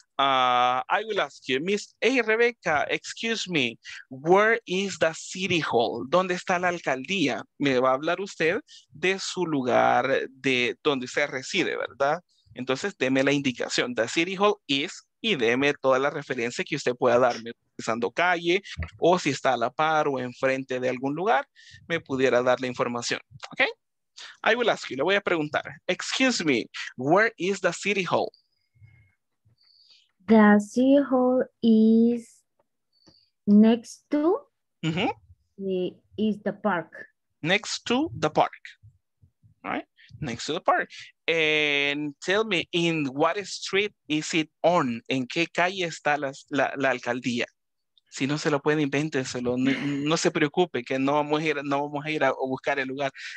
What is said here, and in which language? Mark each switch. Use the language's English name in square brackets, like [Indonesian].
[English] I will ask you, Miss, hey, Rebecca, excuse me, where is the city hall? [Spanish] ¿Dónde está la alcaldía? Me va a hablar usted de su lugar de donde usted reside, ¿verdad? Entonces, deme la indicación. [English] The city hall is, [Spanish] y deme toda la referencia que usted pueda darme, utilizando calle, o si está a la par o enfrente de algún lugar, me pudiera dar la información. ¿Ok? [English] I will ask you, [Spanish] le voy a preguntar. [English] Excuse me, where is the city hall? The city hall is next to is the park. Next to the park. Right? Next to the park. And tell me, in what street is it on? [Spanish] ¿En qué calle está la alcaldía? Si no se lo puede, invénteselo. No se preocupe, que no vamos a ir, no vamos a ir a buscar el lugar.